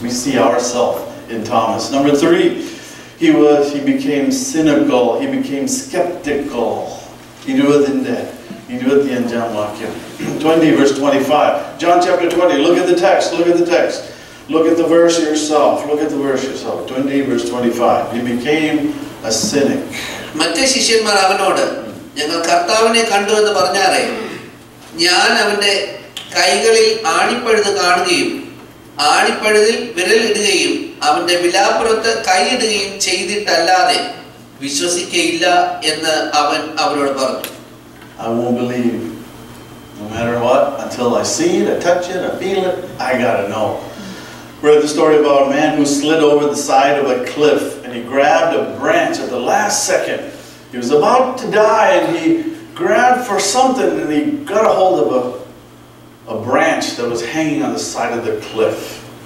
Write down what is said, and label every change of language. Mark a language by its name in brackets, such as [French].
[English] We see ourselves in Thomas. Number three, he became cynical. He became skeptical. He doeth in death. He doeth in John 20, verse 25. John chapter 20, look at the text. Look at the text. Look at the verse yourself. Look at the verse yourself. 20, verse 25. He became a cynic. [Malayalam] മറ്റേ ശിഷ്യന്മാർ അവനോട് ഞങ്ങൾ കർത്താവിനെ കണ്ടു എന്ന് പറഞ്ഞാറേ ഞാൻ അവന്റെ കൈകളിൽ ആണിപ്പഴുത് കാണുകയും ആണിപ്പഴുതിൽ വിരലിടുകയും അവന്റെ വിലാപ്പുറത്ത് കൈയിടുകയും ചെയ്തിട്ടല്ലാതെ വിശ്വസിക്കയില്ല എന്ന് അവൻ അവരോട് പറഞ്ഞു. [English] I won't believe no matter what until I see it, I touch it, I feel it, I gotta know. We read the story about a man who slid over the side of a cliff and he grabbed a branch at the last second. He was about to die and he grabbed for something and he got a hold of a branch that was hanging on the side of the cliff.